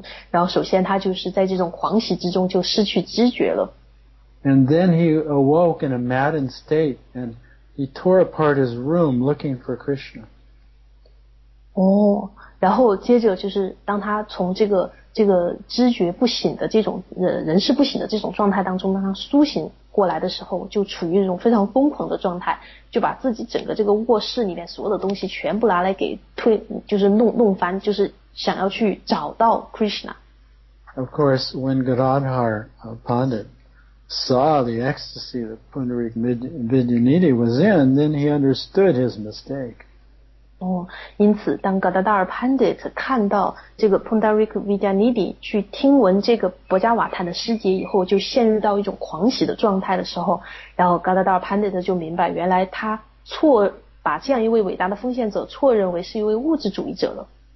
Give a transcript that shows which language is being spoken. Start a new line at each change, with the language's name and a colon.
Chinese: 然后首先他就是在这种狂喜之中就失去知觉了。
English: And then he awoke in a maddened state and he tore apart his room looking for Krishna.
Chinese: 然后接着就是当他从这个知觉不醒的这种人事不醒的这种状态当中，当他苏醒过来的时候，就处于一种非常疯狂的状态，就把自己整个这个卧室里面所有的东西全部拿来给推，就是弄翻，就是想要去找到 Krishna.
English: Of course, when Gadadhar Pandit saw the ecstasy that Pundarik Vidyaniti was in, then he understood his mistake.
Chinese: 哦，因此当 Gadadhar Pandit 看到这个 Pundarik Vidyaniti 去听闻这个博加瓦坦的师节以后，就陷入到一种狂喜的状态的时候，然后 Gadadhar Pandit 就明白，原来他错把这样一位伟大的奉献者错认为是一位物质主义者了。